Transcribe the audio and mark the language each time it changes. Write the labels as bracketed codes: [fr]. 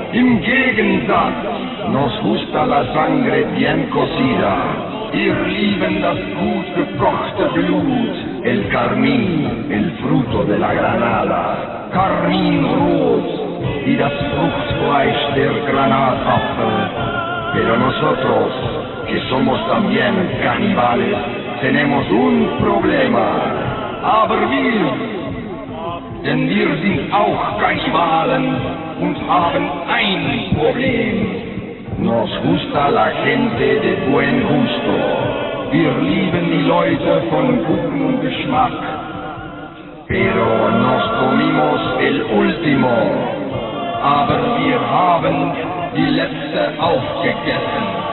[de] Im Gegensatz, [es] nos gusta la sangre bien cocida. [de] Wir lieben das gut gekochte Blut, [es] el carmín, el fruto de la Granada, [de] carminrot y das Fruchtfleisch der Granatapfel. [es] Pero nosotros, que somos también caníbales, tenemos un problema. [de] Aber wir, denn wir sind auch Kannibalen und haben ein Problem. [es] Nos gusta la gente de buen gusto. [de] Wir lieben die Leute von gutem Geschmack. [es] Pero nos comimos el último. [de] Aber wir haben die letzte aufgegessen.